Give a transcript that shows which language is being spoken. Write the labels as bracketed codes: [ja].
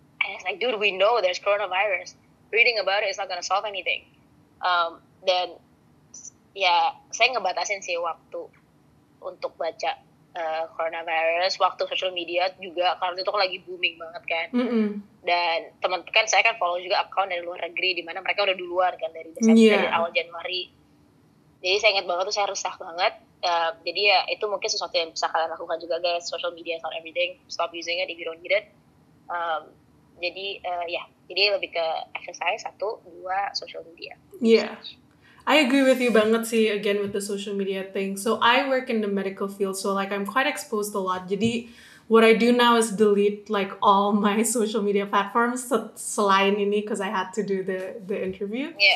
[en] And it's like, dude, we know there's coronavirus. Reading about it is not gonna solve anything. [id] Dan ya saya ngebatasin sih waktu untuk baca coronavirus, waktu social media juga karena itu lagi booming banget kan. Dan teman kan saya kan follow juga account dari luar negeri di mana mereka udah duluan kan dari Desember, dari awal Januari. Jadi saya ingat banget tuh saya resah banget. Jadi ya itu mungkin sesuatu yang bisa kalian lakukan juga, guys. [en] Social media is not everything. Stop using it if you don't need it. [id] Jadi jadi lebih ke exercise, satu, dua, social media. [en] I agree with you [id] banget sih, [en] again, with the social media thing. So, I work in the medical field, so, like, I'm quite exposed a lot. Jadi, what I do now is delete, like, all my social media platforms [id] selain ini, [en] because I had to do the interview.